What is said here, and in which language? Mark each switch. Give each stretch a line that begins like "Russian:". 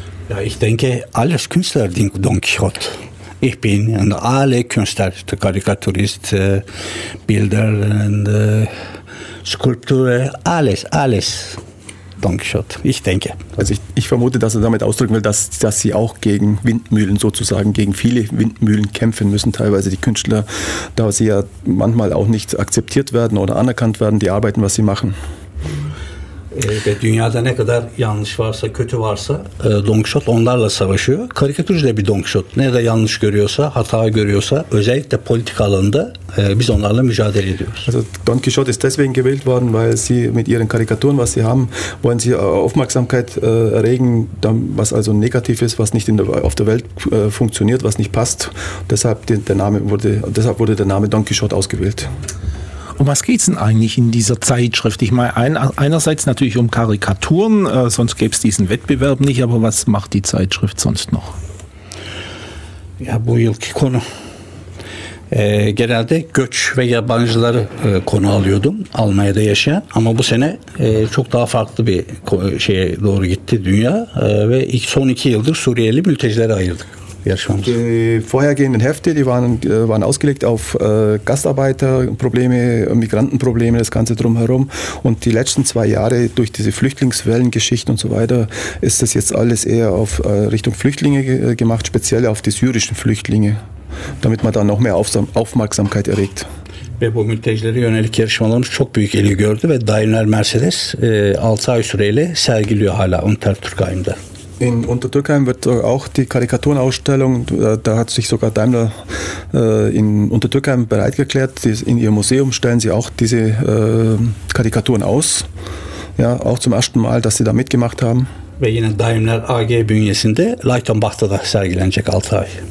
German: Ja, ich denke, alles Künstler sind Don Quixote. Ich bin und alle Künstler, Karikaturist, Bilder, Skulpturen, alles. Ich denke. Also ich vermute, dass er damit ausdrücken will, dass sie auch gegen Windmühlen sozusagen, gegen viele Windmühlen kämpfen müssen, teilweise die Künstler, da sie ja manchmal auch nicht akzeptiert werden oder anerkannt werden, die arbeiten, was sie machen.
Turkish: Der dünyada ne kadar yanlış varsa, kötü varsa, Don Quixote onlarla savaşıyor. Karikatür de bir Don Quixote. Ne de yanlış görüyorsa, hata görüyorsa, özellikle politik alanında biz onlarla mücadele ediyoruz.
German: Also Don Quixote ist deswegen gewählt worden, weil sie mit ihren Karikaturen, was sie haben, wollen sie Aufmerksamkeit erregen, was also negativ ist, was nicht auf der Welt funktioniert, was nicht passt. Deshalb wurde der Name Don Quixote ausgewählt. Um was geht es denn eigentlich in dieser Zeitschrift? Ich meine, einerseits natürlich um Karikaturen, sonst gäbe es diesen Wettbewerb nicht, aber was macht die Zeitschrift sonst noch?
Turkish: Ja, bu yılki konu. Genelde göç ve yabancıları konu alıyordum, Almanya'da yaşayan. Ama bu sene çok daha farklı bir şeye doğru gitti dünya. Ve ilk son iki yıldır Suriyeli mültecilere ayırdık yarışmamızı.
German: Die vorhergehenden Hefte, die waren ausgelegt auf Gastarbeiterprobleme, Migrantenprobleme, das Ganze drumherum. Und die letzten zwei Jahre durch diese Flüchtlingswellengeschichte und so weiter, ist das jetzt alles eher auf Richtung Flüchtlinge gemacht, speziell auf die syrischen Flüchtlinge. Damit man da noch mehr Aufmerksamkeit erregt.
Turkish: Ve bu mültecilere yönelik yarışmalarımız çok büyük ilgi gördü ve Daimler Mercedes 6 ay süreyle sergiliyor hala Untertürkheim'de.
German: In Untertürkheim wird auch die Karikaturenausstellung, da hat sich sogar Daimler in Untertürkheim bereit erklärt, in ihr Museum stellen sie auch diese Karikaturen aus. Ja, auch zum ersten Mal, dass sie da mitgemacht haben.
Turkish: Ve yine Daimler AG bünyesinde Leitonbach'ta da sergilenecek 6 ay.